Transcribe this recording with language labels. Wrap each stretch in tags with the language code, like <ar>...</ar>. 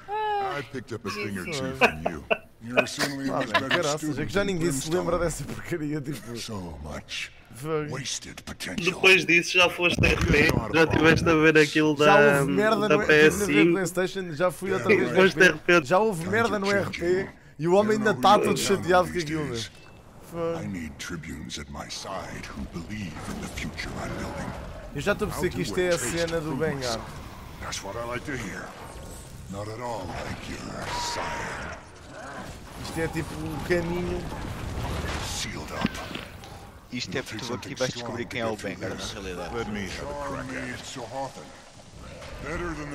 <en>I picked up a thing or two from you. You're certainly a much better student.</en> <pt>É que já ninguém se lembra dessa porcaria, tipo.</pt> <en>So much. Wasted potential.</en> <pt>Depois disso já foste RP. Já tiveste a ver aquilo da PlayStation. Já fui outra vez. Depois de RP. Já houve merda no RP e o homem ainda está todo chateado com aquilo.</pt> <en>I need tribunes at my side who believe in the future I'm building.</en> <pt>Eu já estou a perceber que isto é a cena do Vanguard.</pt> <en>That's what I like to hear. Not at all like your sire.</en> <pt>Isto é tipo o caminho. Sealed</pt> <en>up.</en> <pt>Isto é porque tu aqui vais descobrir quem é o Vanguard na realidade.</pt> <en>Let me have a crack at it.</en>